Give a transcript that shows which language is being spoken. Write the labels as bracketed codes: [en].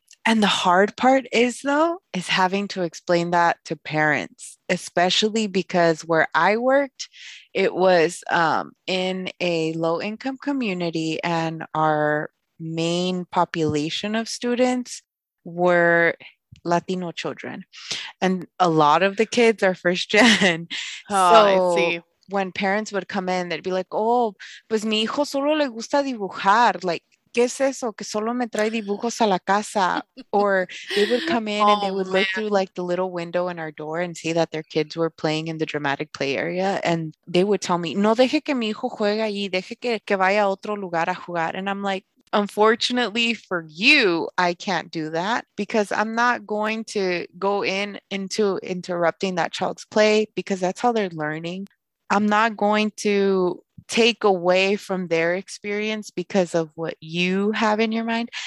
[en] And the hard part is, though, is having to explain that to parents, especially because where I worked, it was in a low-income community and our main population of students were Latino children. And a lot of the kids are first gen. Oh, so, I see. When parents would come in, they'd be like, oh, [es] pues mi hijo solo le gusta dibujar, like, ¿qué es eso? Que solo me trae dibujos a la casa. [en] Or they would come in and they would look through like the little window in our door and see that their kids were playing in the dramatic play area. And they would tell me, [es] no deje que mi hijo juegue allí, deje que vaya a otro lugar a jugar. [en] And I'm like, unfortunately for you, I can't do that because I'm not going to go in into interrupting that child's play because that's how they're learning. I'm not going to take away from their experience because of what you have in your mind.